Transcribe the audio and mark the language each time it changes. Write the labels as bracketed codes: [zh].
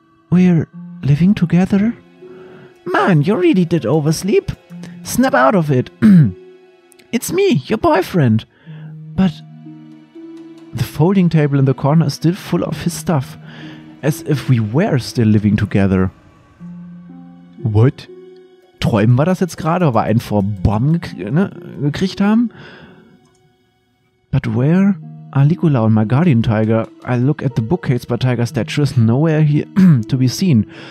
[en] We're living together? Man, you really did oversleep. Snap out of it. It's me, your boyfriend. But the folding table in the corner is still full of his stuff. As if we were still living together. What? [de] Träumen wir das jetzt gerade, weil wir einen vor Bomb gekriegt haben? [en] But where are Ligula and my guardian tiger? I look at the bookcase, but tiger statue is nowhere here to be seen.